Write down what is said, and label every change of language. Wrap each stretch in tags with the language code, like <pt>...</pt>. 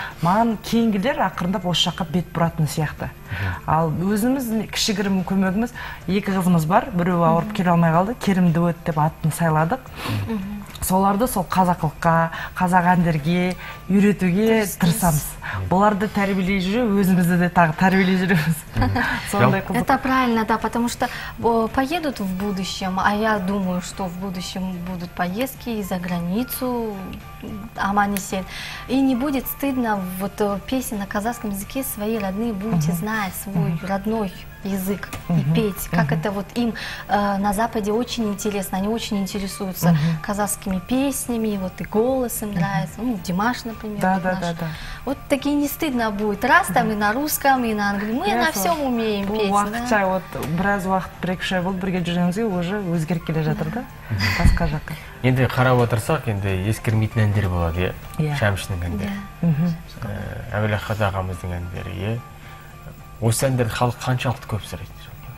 <kk>Маған кейінгілер ақырындап осы жаққа бет бұратын сияқты. Ал өзіміз кішігірім көмегіміз, екі қызымыз бар, біреуі ауырып келе алмай қалды, Керімді өт деп атын сайладық. Соларды сол қазақылыққа, қазақ әндерге үйретуге тырысамыз. Бұларды тәрбиелей жүре, өзімізді де тағы тәрбиелей жүреміз.</kk> <ru>Это правильно, да, потому что поедут в будущем, а я думаю, что в будущем будут поездки за границу, аман-есен. И не будет стыдно вот песни на казахском языке свои родные будете знать, свой родной язык и петь. Как это вот им на Западе очень интересно, они очень интересуются казахскими песнями, вот и голос им нравится. Ну, Димаш, например. Да. Вот такие не стыдно будет. Раз там и на русском, и на английском. Мы на всем умеем петь.</ru> <kk>Уақытша, вот біраз уақыт прекшай болды, бірге жүрімізге уже өзгер келе жатыр, да? Басқа жаққа. Енді қарап отырсақ, енді ескірмейтін әндер болады, Шәмшінің әндері. Әуелі қазағымыздың әндері. Осы әндерді халық қаншалықты көп сұрайды?</kk>